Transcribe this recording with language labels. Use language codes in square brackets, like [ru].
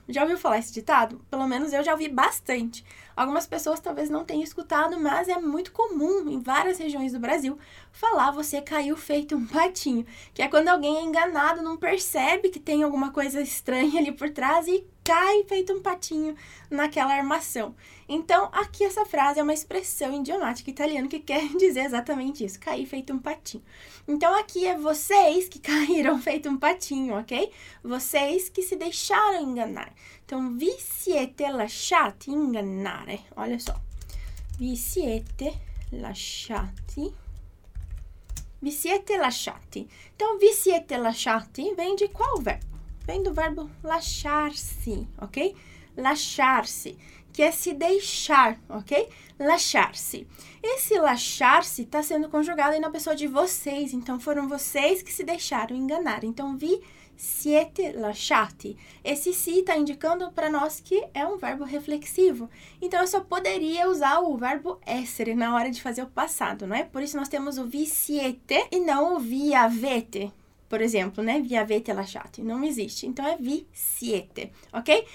[pt] Já ouviu falar esse ditado? Pelo menos eu já ouvi bastante. Algumas pessoas talvez não tenham escutado, mas é muito comum em várias regiões do Brasil falar você caiu feito um patinho, que é quando alguém é enganado, não percebe que tem alguma coisa estranha ali por trás e cai feito um patinho naquela armação. Então, aqui essa frase é uma expressão idiomática italiana que quer dizer exatamente isso, cair feito um patinho. Então, aqui é vocês que caíram feito um patinho, ok? Vocês que se deixaram enganar. Então, [it] vi siete lasciati ingannare. Olha só. Vi siete lasciati. Vi siete lasciati. [pt] Então, [it] vi siete lasciati [pt] vem de qual verbo? Vem do verbo lasciarsi, ok? Lasciarsi, que é se deixar, ok? Lasciarsi. Esse lasciarsi está sendo conjugado aí na pessoa de vocês, então foram vocês que se deixaram enganar. Então, [it] vi siete lasciati. [pt] Esse si está indicando para nós que é um verbo reflexivo. Então, eu só poderia usar o verbo essere na hora de fazer o passado, não é? Por isso, nós temos o [it] vi siete [pt] e não o [it] vi avete. [pt] Por exemplo, né? [it] Vi avete lasciati. [pt] Não existe. Então, é [it] vi siete, [pt] ok?